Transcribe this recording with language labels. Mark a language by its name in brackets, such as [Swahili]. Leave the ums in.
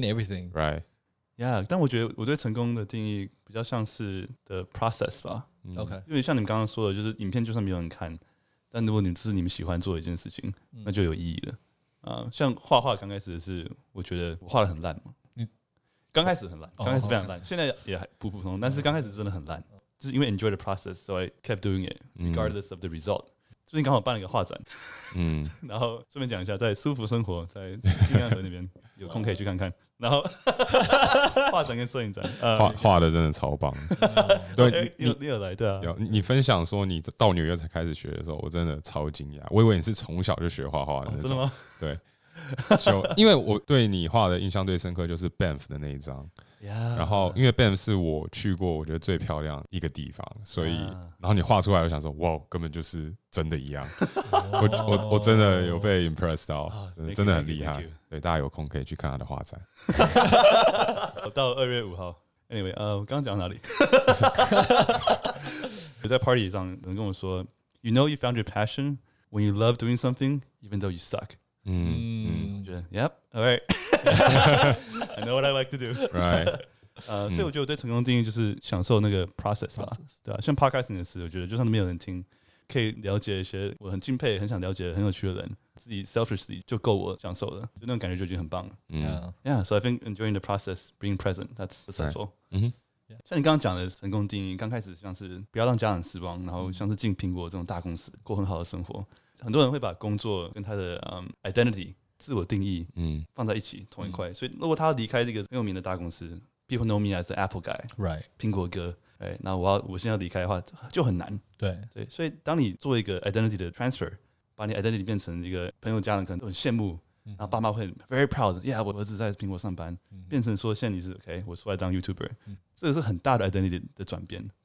[Chinese] everything，right，yeah，但我觉得我对成功的定义比较像是 the process 吧，OK，、嗯、因为像你们刚刚说的，就是影片就算没有人看，但如果你是你们喜欢做的一件事情，那就有意义了啊。像画画刚开始是我觉得画的很烂嘛，你刚开始很烂，刚开始非常烂，哦 okay. 现在也普普通通，但是刚开始真的很烂。嗯嗯就是因为 [English] enjoy the process， [Chinese] 所以 [English] I kept doing it regardless of the result。 [Chinese] 最近刚好办了一个画展，嗯，然后顺便讲一下，在舒服生活，在玉渊河那边有空可以去看看。然后画展跟摄影展，画画的真的超棒。对，你你有来对啊？有你分享说你到纽约才开始学的时候，我真的超惊讶。我以为你是从小就学画画的那种。对，就因为我对你画的印象最深刻就是 Benf 的那一张。然后，因为 b e n 是我去过我觉得最漂亮一个地方，所以，然后你画出来，我想说，哇，根本就是真的一样。我我我真的有被 impressed 到，真的真的很厉害。对，大家有空可以去看他的画展。我到二月五号。 Anyway，呃，我刚讲哪里？在 party 上，人跟我说， [English] You know you found your passion when you love doing something even though you suck。 [Chinese] 嗯，我觉得，Yep，All right。 [English] I know what I like to do. Right. [Chinese] 呃，所以我觉得我对成功定义就是享受那个 process 吧，process. 对吧、啊？像 podcasting 的事，我觉得就算没有人听，可以了解一些我很敬佩、很想了解、很有趣的人，自己 selfishly 就够我享受了，就那种感觉就已经很棒了。 Yeah.、Mm. Yeah. [English] So I think enjoying the process, being present, that's e s e s t i a l 嗯哼。 Hmm. [Chinese] 像你刚刚讲的成功定义，刚开始像是不要让家人失望，然后像是进苹果这种大公司过很好的生活，很多人会把工作跟他的嗯、um, identity。自我定义，嗯，放在一起同一块，所以如果他离开这个很有名的大公司， [English] people know me as the Apple guy， [Chinese] right，苹果哥，哎，那我要我现在离开的话就很难，对对，所以当你做一个 identity 的 transfer，把你 identity 变成一个朋友、家人可能都很羡慕，然后爸妈会很 very proud，yeah，我儿子在苹果上班，变成说现在你是，OK，我出来当 youtuber，这个是很大的 identity 的转变。